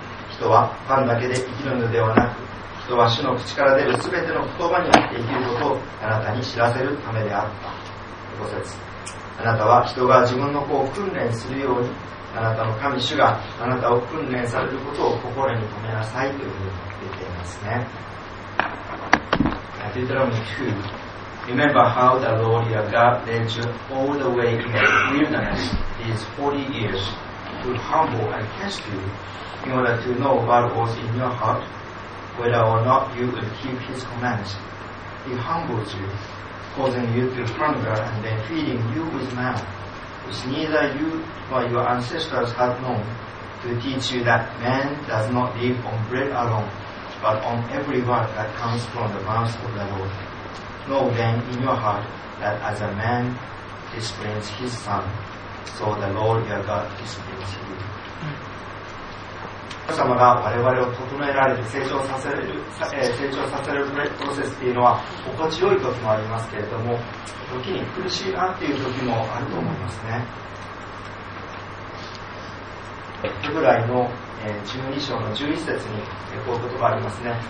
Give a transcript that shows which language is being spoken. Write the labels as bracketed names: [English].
[Japanese] 人はパンだけで生きるのではなく、人は主の口から出るすべての言葉によって生きることをあなたに知らせるためであった。5節。あなたは人が自分の子を訓練するように、あなたの神主があなたを訓練されることを心に留めなさいというふうに言っていますね。 [English] Deuteronomy 2. Remember how the Lord your God led you all the way in the wilderness these 40 years to humble and test you in order to know what was in your heartWhether or not you would keep his commands. He humbled you, causing you to hunger and then feeding you with manna, which neither you nor your ancestors had known, to teach you that man does not live on bread alone, but on every word that comes from the mouth of the Lord. Know then in your heart that as a man disciplines his son, so the Lord your God disciplines you. [Japanese] 神様が我々を整えられて成長させるプロセスというのは心地よい時もありますけれども、時に苦しいなという時もあると思いますね。ヘブライの12章の11節にこういう言葉がありますね。